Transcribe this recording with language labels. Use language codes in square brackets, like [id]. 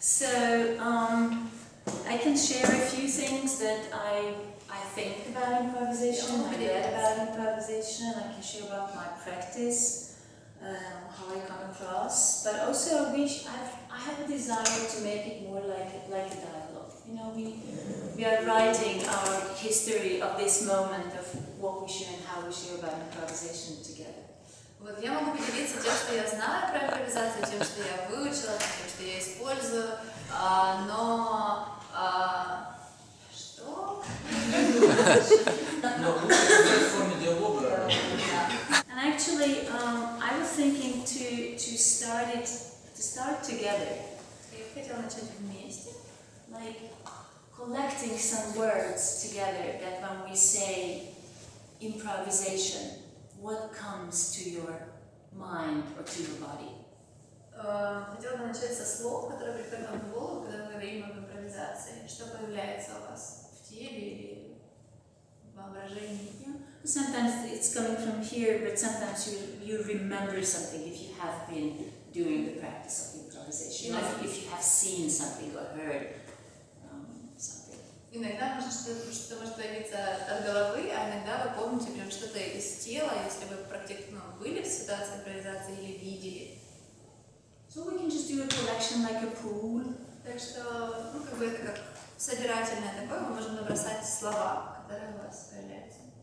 [en] can share a few things that I think about improvisation, I read about improvisation, I can share about my practice, how I come across, but also I wish, I have a desire to make it more like a dialogue. You know, we are writing our history of this moment of what we share and how we share about improvisation together. [ru] Вот я могу поделиться тем, что я знаю про импровизацию, тем, что я выучила, тем, что я использую, но... Что? Но лучше в форме диалога. [en] And actually, I was thinking to start together. [ru] Я хотела начать вместе. [en] Like, collecting some words together, that when we say improvisation, what comes to your mind or to your body? [ru] Хотела бы начать со слов, которые приходят вам в голову, когда мы говорим об импровизации. Что появляется у вас в теле или в воображении? [en] Sometimes it's coming from here, but sometimes you remember something if you have been doing the practice of improvisation. Like if you have seen something or heard something. [ru] Иногда может что-то может появиться от головы, а иногда вы помните прям что-то из тела, если вы практически были в ситуации импровизации или видели. [en] So we can just do a collection like a pool. [ru] Так что, ну, как бы это как собирательное такое, мы можем набросать слова, которые у вас появляются.